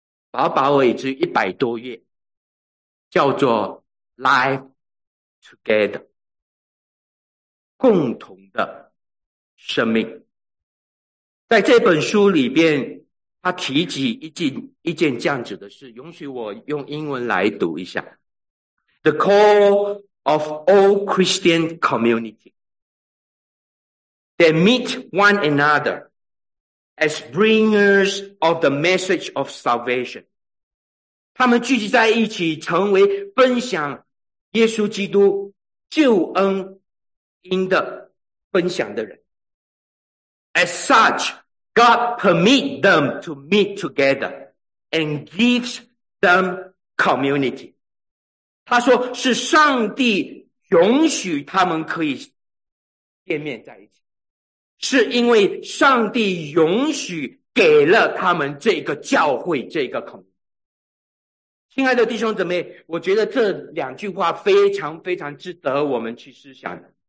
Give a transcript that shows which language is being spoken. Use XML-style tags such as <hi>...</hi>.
<zh>宝宝也只有100多月，叫做 Life Together， 共同的生命。在这本书里边，他提及一件这样子的事，允许我用英文来读一下。</zh> <en>The call of all Christian community that meet one another as bringers of the message of salvation.</en> <zh>他们聚集在一起，成为分享耶稣基督救恩音的分享的人。</zh> <en>As such, God permits them to meet together and gives them community.</en> <zh>他说是上帝允许他们可以见面在一起，是因为上帝允许给了他们这个教会这个community。亲爱的弟兄姊妹，我觉得这两句话非常非常值得我们去思想。</zh>